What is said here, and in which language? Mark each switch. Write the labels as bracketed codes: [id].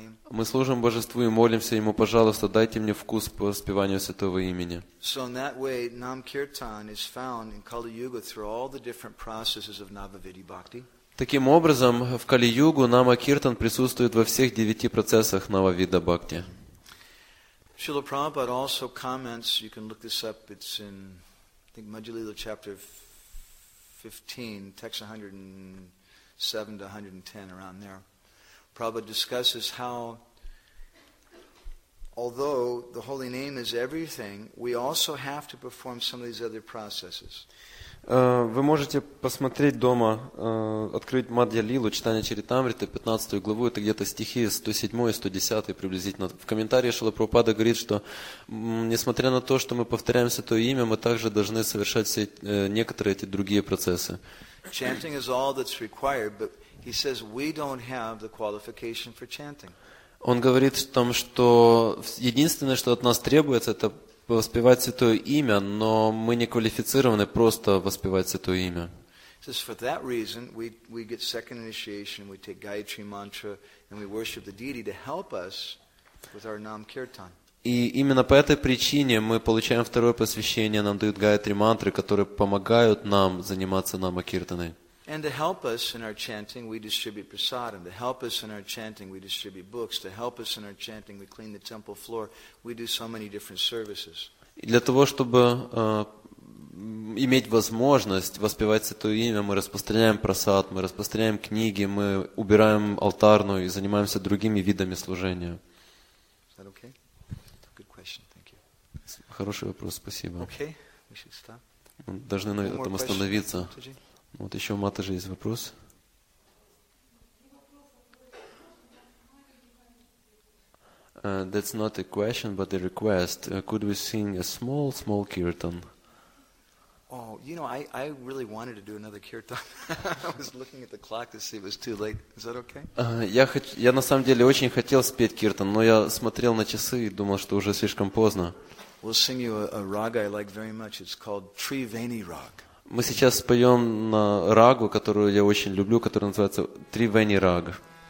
[ru] Мы служим божеству и молимся ему: пожалуйста, дайте мне вкус по воспеванию Святого Имени. [en] So in that way, Namkirtan is found in Kali Yuga through all the different processes of Navaviti Bhakti. [ru] Таким образом, в Кали-Югу Намакиртан присутствует во всех девяти процессах Нававида Бхакти. [en] Шрила Прабхупада also comments, you can look this up, it's in I think Majjhalila chapter 15, text 107 to 110, around there. Prabhupada discusses how, although the holy name is everything, we also have to perform some of these other processes. [ru] Вы можете посмотреть дома, открыть Мадья-лилу, читание Чаритамриты, 15 главу, это где-то стихи 107 и 110 приблизительно. В комментариях Шрила Прабхупада говорит, что несмотря на то, что мы повторяем Святое Имя, мы также должны совершать все, некоторые эти другие процессы. [en] Chanting is all that's required, but he says we don't have the qualification for chanting. [ru] Он говорит о том, что единственное, что от нас требуется, это воспевать Святое Имя, но мы не квалифицированы просто воспевать Святое Имя. [en] So for that reason, we get second initiation, we take Gayatri mantra, and we worship the deity to help us with our Nam Kirtan. [ru] И именно по этой причине мы получаем второе посвящение, нам дают Гайатри мантры, которые помогают нам заниматься Намакиртаной. [en] And to help us in our chanting, we distribute prasadam. To help us in our chanting, we distribute books. To help us in our chanting, we clean the temple floor. We do so many different services. [ru] И для того, чтобы иметь возможность воспевать Святое Имя, мы распространяем прасад, мы распространяем книги, мы убираем алтарную и занимаемся другими видами служения. [en] Is that okay? Good question. Thank you. [ru] Хороший вопрос, спасибо. [en] Okay, we should stop. [ru] Мы должны на этом остановиться. Вот еще у Маты же есть вопрос. [en] That's not a question, but a request. Could we sing a small kirtan? Oh, you know, I really wanted to do another kirtan. I was looking at the clock to see if it was too late. Is that okay? [ru] Я на самом деле очень хотел спеть киртан, но я смотрел на часы и думал, что уже слишком поздно. [en] We'll sing you a raga I like very much. It's called Trivani Rag. [ru] Мы сейчас споем на рагу, которую я очень люблю, которая называется Тривени Раг.